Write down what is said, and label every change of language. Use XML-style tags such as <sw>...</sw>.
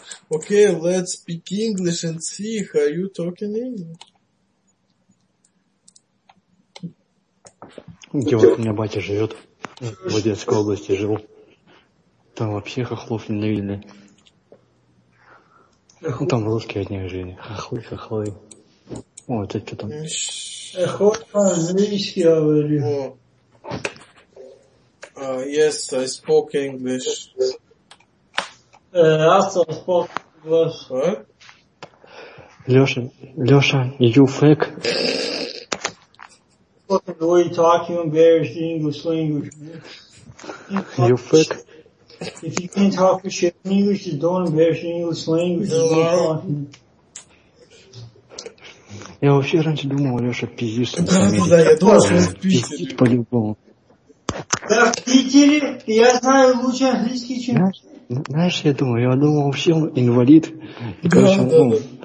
<en>Окей, let's speak English and see how you talking English.</en> <ru>Где вот у меня батя живет? В Одесской области жил. Там вообще хохлов ненавидели. Ну, там русские от них жили. Хохлы, хохлы. О, это что там? Хохла, знаешь, я говорю.</ru> <en>Yes, I spoke English. Also spoke English. What? Lёша, you fake. What are you talking about? It's the English language. You fake. If you can't talk a shit in English, just don't embarrass the English language. No.</en> <ru>Я вообще раньше думал, Лёша пиздит. Да, да, я должен пиздить. По-любому. Да в Питере я знаю лучше английский, чем... Знаешь, я думал, вообще он инвалид. И, короче, да, он, да.</ru>